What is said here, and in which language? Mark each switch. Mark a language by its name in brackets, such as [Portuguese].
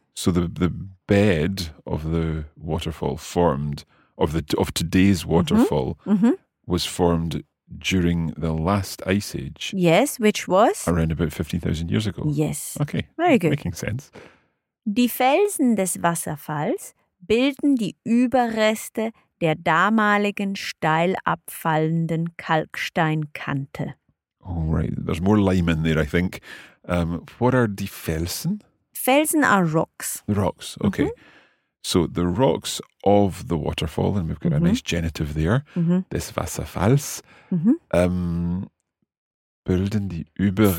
[English] So the bed of the waterfall formed of today's waterfall was formed during the last ice age. Yes, which was around about 15,000 years ago. Yes. Okay. Very good. Making sense. [German] Die Felsen des Wasserfalls bilden die Überreste der damaligen steil abfallenden Kalksteinkante. [English] Oh, right. There's more lime in there, I think. What are die Felsen? Felsen are rocks. Rocks, okay. So the rocks of the waterfall, and we've got a nice genitive there, [German] des Wasserfalls, bilden die Überreste.